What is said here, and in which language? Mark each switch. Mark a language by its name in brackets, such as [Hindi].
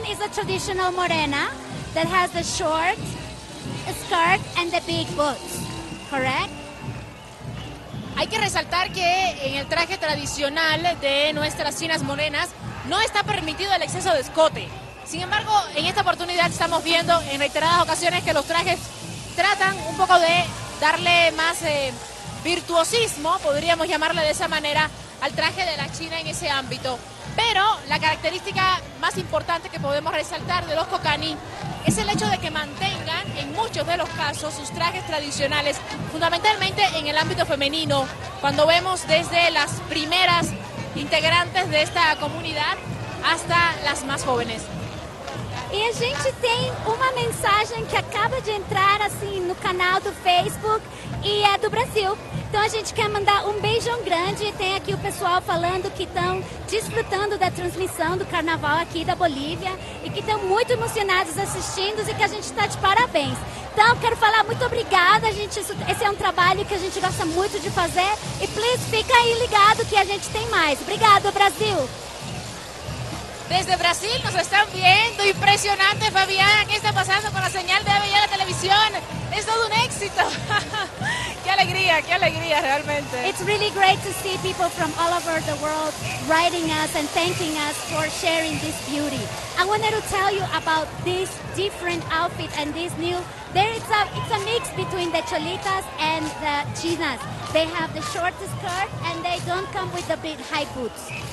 [English] Traditional morena that has the short skirt and the big boots, correct? [Spanish] Hay que resaltar que en el traje tradicional de nuestras chinas morenas no está permitido el exceso de escote. Sin embargo, en esta oportunidad estamos viendo en reiteradas ocasiones que los trajes tratan un poco de darle más virtuosismo, podríamos llamarle de esa manera, al traje de la china en ese ámbito. Pero la característica más importante que podemos resaltar de los Kokani es el hecho de que mantengan en muchos de los casos sus trajes tradicionales, fundamentalmente en el ámbito femenino. Cuando vemos desde las primeras integrantes de esta comunidad hasta las más jóvenes. [Portuguese] Y a gente tem uma mensagem que acaba de entrar assim no canal do Facebook e é do Brasil. Então a gente quer mandar um beijão grande e tem aqui o pessoal falando que estão desfrutando da transmissão do carnaval aqui da Bolívia e que estão muito emocionados assistindo e que a gente está de parabéns. Então quero falar muito obrigada, gente, esse é um trabalho que a gente gosta muito de fazer e please fica aí ligado que a gente tem mais. Obrigado, Brasil! [Spanish] Desde Brasil nos están viendo, impresionante Fabiana, ¿qué está pasando con la señal de la televisión? Es todo un éxito. ¡Qué alegría, qué alegría realmente. [English] It's really great to see people from all over the world writing us and thanking us for sharing this beauty. I wanted to tell you about this different outfit and this new. There is a, it's a mix between the cholitas and the chinas. They have the shortest skirt and they don't come with the big high boots.